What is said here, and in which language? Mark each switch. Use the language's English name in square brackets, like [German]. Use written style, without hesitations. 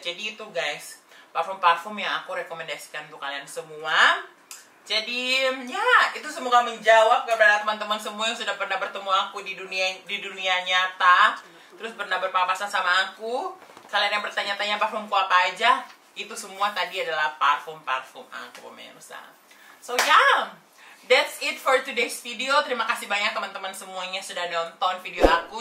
[Indonesian] Jadi itu guys, parfum-parfum yang aku rekomendasikan untuk kalian semua. Jadi ya, itu semoga menjawab kepada teman-teman semua yang sudah pernah bertemu aku di dunia nyata. Terus pernah berpapasan sama aku. Kalian yang bertanya-tanya parfumku apa aja, itu semua tadi adalah parfum-parfum aku, pemirsa. [English] So yeah, that's it for today's video. [Indonesian] Terima kasih banyak teman-teman semuanya sudah nonton video aku.